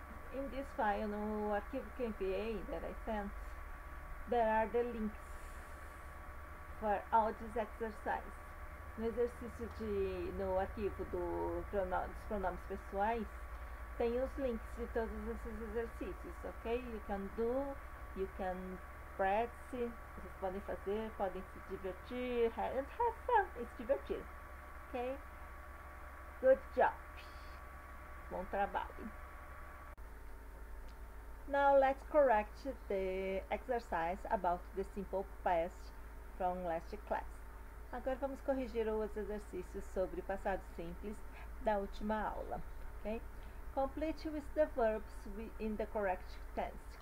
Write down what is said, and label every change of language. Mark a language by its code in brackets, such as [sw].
[en] in this file, [pt] no arquivo que eu enviei, [en] that I sent, there are the links for all these exercises. [pt] No exercício de, no arquivo do, dos pronomes pessoais, tem os links de todos esses exercícios, ok? [en] You can do, you can practice, [pt] vocês podem fazer, podem se divertir, [en] and have fun, it's divertido, ok? Good job! [pt] Bom trabalho! [en] Now let's correct the exercise about the simple past from last class. [pt] Agora vamos corrigir os exercícios sobre o passado simples da última aula, ok? [en] Complete with the verbs in the correct tense.